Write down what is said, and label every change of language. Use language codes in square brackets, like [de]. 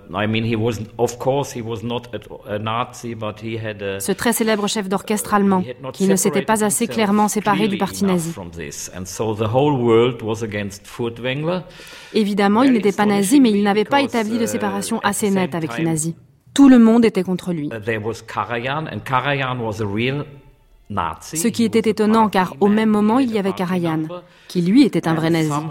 [en] I mean, he was, of course, he was not a Nazi, but he had a. [fr] Ce très célèbre chef d'orchestre allemand, qui ne s'était pas assez clairement séparé du parti nazi. [en] From this. And so the whole world was against Furtwängler. [fr] Évidemment, il n'était pas nazi, mais il n'avait pas établi de séparation assez nette avec les nazis. Tout le monde était contre lui. [en] There was Karajan, and Karajan was a real Nazi. [fr] Ce qui était étonnant, car au même moment, il y avait Karajan, qui lui était un vrai nazi.